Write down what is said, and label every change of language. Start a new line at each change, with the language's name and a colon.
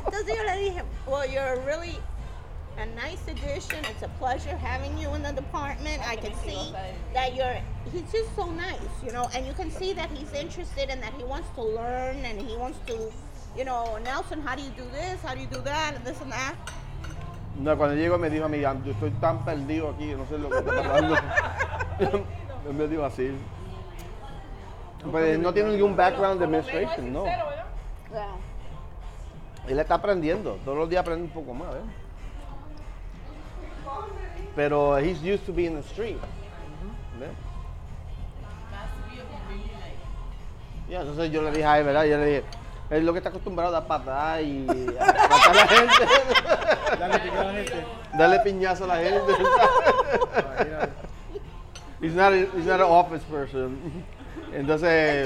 Spanish: Entonces yo le dije,
English: well, you're really a nice addition. It's a pleasure having you in the department. I can see that he's just so nice, you know, and you can see that he's interested and that he wants to learn and he wants to, you know, Nelson, how do you do this? How do you do that? And this and that.
Spanish: No, cuando llego me dijo a mí, yo estoy tan perdido aquí, no sé lo que está hablando. Él me dijo así. Pues él no tiene ningún background de administration, no. Él está aprendiendo, todos los días aprende un poco más, ¿eh? Pero
English: he's used to being in the street.
Spanish: ¿Ves? Yeah, entonces yo le dije a él, ¿verdad? Yo le dije, es lo que está acostumbrado a dar patadas y a matar a la gente. Dale piñazo a la gente. Dale piñazo a la gente.
English: He's not an office person.
Spanish: Entonces